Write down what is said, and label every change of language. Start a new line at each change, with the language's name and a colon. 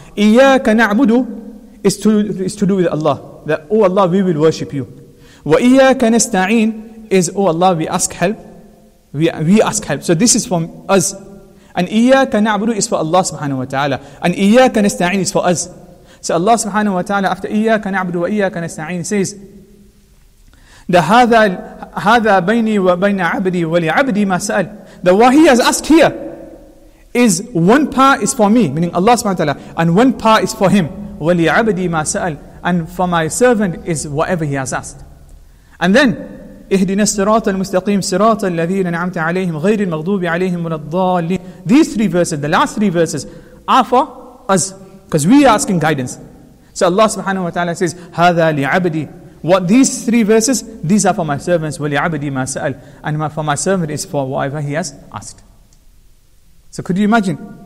English: Iyyaka Na'budu is to do with Allah. That, oh Allah, we will worship you. Wa Iyyaka Nasta'in is, oh Allah, we ask help. We ask help. So this is from us. And Iyyaka Na'budu is for Allah subhanahu wa ta'ala. And Iyyaka Nasta'in is for us. So Allah subhanahu wa ta'ala, after
Arabic: إِيَّاكَ نَعْبُدُ وَإِيَّاكَ نَسْتَعِينَ,
English: says,
Arabic: هَذَا بَيْنِي وَبَيْنَ عَبْدِي وَلِعَبْدِي مَا سَأَلْ.
English: The what he has asked here is one part is for me, meaning Allah subhanahu wa ta'ala, and one part is for him.
Arabic: وَلِعَبْدِي مَا سَأَلْ,
English: and for my servant is whatever he has asked. And then,
Arabic: اِهْدِنَا السِّرَاطَ الْمُسْتَقِيمِ سِرَاطَ الَّذِينَ نَعَمْتَ عَلَيْهِمْ غَيْرِ الْمَغْضُوبِ عَلَيْهِمْ وَلَا الضَّالِّينَ.
English: These three verses, the last three verses, are for us, because we are asking guidance. So Allah subhanahu wa ta'ala says,
Arabic: هَذَا لِعَبْدِي.
English: What these three verses, these are for my servants,
Arabic: وَلِعَبْدِي مَا سَأَلْ,
English: and for my servant is for whatever he has asked. So could you imagine?